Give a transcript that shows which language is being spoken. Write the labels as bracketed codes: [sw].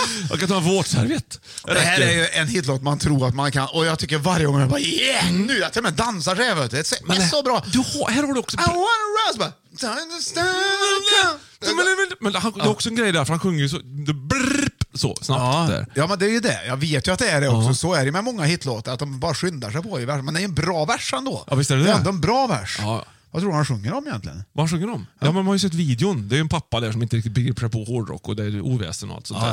[sv] Jag kan ta en våtserviet. Det här är ju en hitlåt man tror att man kan. Och jag tycker varje gång jag bara, yeah, nu jag till och med dansar så här. Det är så bra. Du har, här har du också. [en] I wanna rise, but I understand. [sv] Men han, det är också en grej där, för han sjunger ju så, brrrp, så snabbt. Ja. Där. Ja, men det är ju det. Jag vet ju att det är det också. Uh-huh. Så är det med många hitlåtar, att de bara skyndar sig på i versen. Men det är en bra vers ändå. Ja, visst är det. Det är ändå en bra vers. Ja. Vad tror du han sjunger om egentligen? Vad han sjunger om? Ja, men man har ju sett videon. Det är ju en pappa där som inte riktigt bygger på hårdrock och det är oväsen och allt sånt.